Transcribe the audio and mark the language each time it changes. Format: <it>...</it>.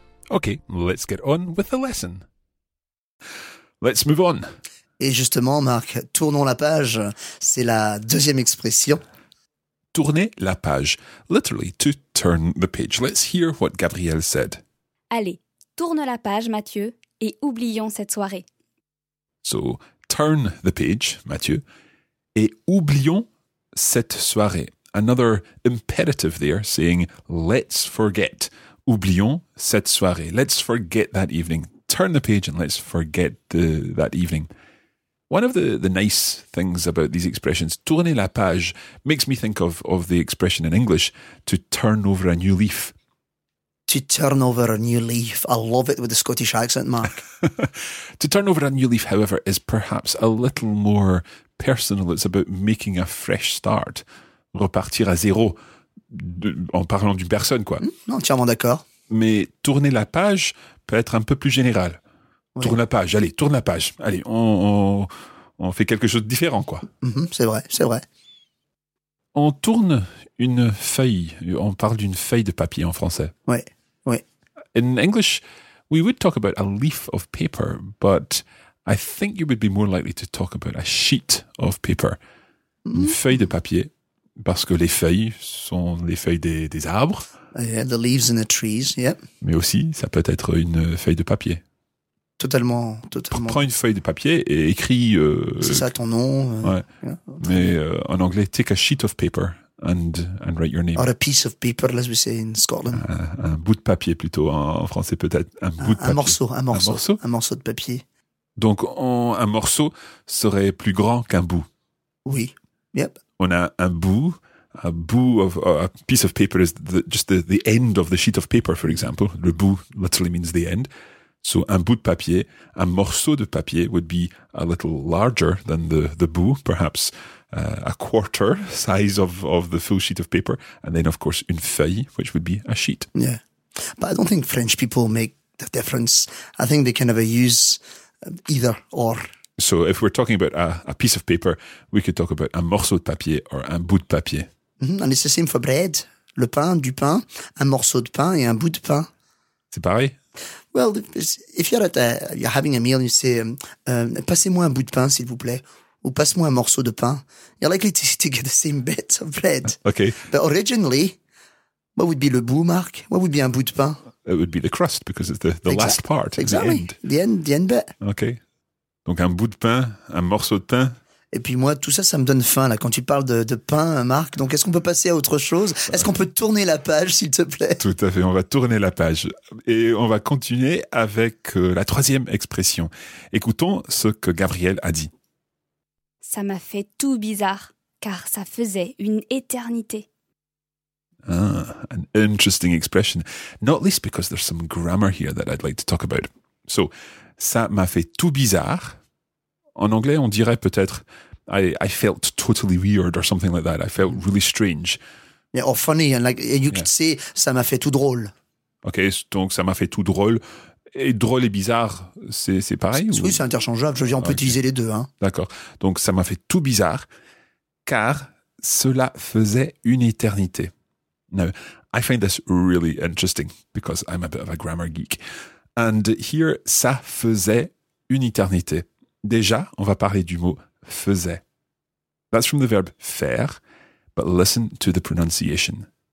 <en>Okay, let's get on with the lesson. Let's move on.</en> <fr>Et justement, Marc, tournons la page. C'est la deuxième expression. Tourner la page.</fr> <en>Literally, to turn the page. Let's hear what Gabrielle said.</en> <fr>Allez, tourne la page, Mathieu, et oublions cette soirée.</fr> <en>So, turn the page, Mathieu,</en> <fr>et oublions cette soirée.</fr> <en>Another imperative there, saying, let's forget.</en> <fr>Oublions cette soirée.</fr> <en>Let's forget that evening. Turn the page and let's forget that evening. One of the nice things about these expressions,</en> <fr>tourner la page,</fr> <en>makes me think of the expression in English, to turn over a new leaf. To turn over a new leaf. I love it with the Scottish accent, Mark. To turn over a new leaf, however, is perhaps a little more personal. It's about making a fresh start.</en> <fr>Repartir à zéro, en parlant d'une personne, quoi. Entièrement d'accord. Mais tourner la page peut être un peu plus général. Oui. Tourne la page, allez, tourne la page. Allez, on fait quelque chose de différent, quoi. Mm-hmm, c'est vrai, c'est vrai. On tourne une feuille. On parle d'une feuille de papier en français. Oui, oui.</fr> <en>In English, we would talk about a leaf of paper, but I think you would be more likely to talk about a sheet of paper. Mm-hmm.</en> <fr>Une feuille de papier, parce que les feuilles sont les feuilles des arbres.</fr> <en>Yeah, the leaves in the trees, yeah.</en> <fr>Mais aussi, ça peut être une feuille de papier. Totalement, totalement. Prends une feuille de papier et écris... C'est ça, ton nom. Ouais. Mais en anglais,</fr> <en>take a sheet of paper and write your name. Or a piece of paper, as we say in Scotland.</en> <fr>Un bout de papier plutôt, en français peut-être. Un morceau de papier. Donc, un morceau serait plus grand qu'un bout. Oui, yep. On a un bout,</fr> <en>a piece of paper is just the end of the sheet of paper, for example. Le bout literally means the end. So</en> <fr>un bout de papier,</fr> <en>un morceau de papier would be a little larger than the bout, perhaps a quarter size of the full sheet of paper. And then, of course, une feuille, which would be a sheet. Yeah, but I don't think French people make the difference. I think they kind of use either or. So if we're talking about a piece of paper, we could talk about un morceau de papier or un bout de papier. Mm-hmm. And it's the same for bread.</en> <fr>Le pain, du pain, un morceau de pain et un bout de pain. C'est pareil?</fr> <en>Well, if you're you're having a meal and you say,</en> <fr>passez-moi un bout de pain,</fr> <en>s'il vous plaît, ou passe-moi un morceau de pain, you're likely to get the same bit of bread. Okay. But originally, what would be le bout, Marc? What would be</en> <fr>un bout de pain?</fr> <en>It would be the crust, because it's the last part. Exactly. The end bit.</en> <fr>Okay. Donc un bout de pain, un morceau de pain. Et puis moi, tout ça, ça me donne faim, là, quand tu parles de pain, Marc. Donc est-ce qu'on peut passer à autre chose? Est-ce qu'on peut tourner la page, s'il te plaît? Tout à fait, on va tourner la page. Et on va continuer avec la troisième expression. Écoutons ce que Gabriel a dit. Ça m'a fait tout bizarre, car ça faisait une éternité.</fr> <en>Ah, an interesting expression. Not least because there's some grammar here that I'd like to talk about. So...</en> <fr>Ça m'a fait tout bizarre. En anglais, on dirait peut-être</fr> <en>I felt totally weird or something like that. I felt really strange. Yeah, or funny. And like, and you could say,</en> <fr>ça m'a fait tout drôle. OK, donc ça m'a fait tout drôle. Et drôle et bizarre, c'est pareil? Oui, c'est interchangeable. Je veux dire, on peut utiliser les deux. Hein. D'accord. Donc, ça m'a fait tout bizarre, car cela faisait une éternité.</fr> <en>Now, I find this really interesting, because I'm a bit of a grammar geek. And here,</en> <fr>ça faisait une éternité. Déjà, on va parler du mot faisait.</fr> <en>That's from the verb faire, but listen to the pronunciation.</en>